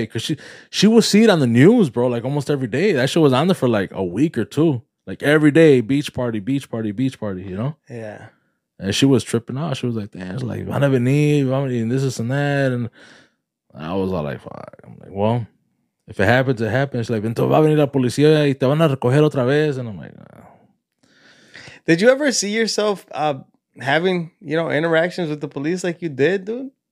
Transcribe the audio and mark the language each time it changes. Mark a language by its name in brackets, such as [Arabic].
[English] Because she would see it on the news, bro, like almost every day. That shit was on there for like a week or two. Like every day, beach party, beach party, beach party, you know? Yeah. And she was tripping out. She was like, damn, it's like, I never need, I'm eating this and that. And I was all like, fuck. I'm like, well, if it happens, it happens. She's like, [Spanish] entonces va a venir la policía y te van a recoger otra vez. [English] And I'm like, oh. Did you ever see yourself having, you know, interactions with the police like you did, dude?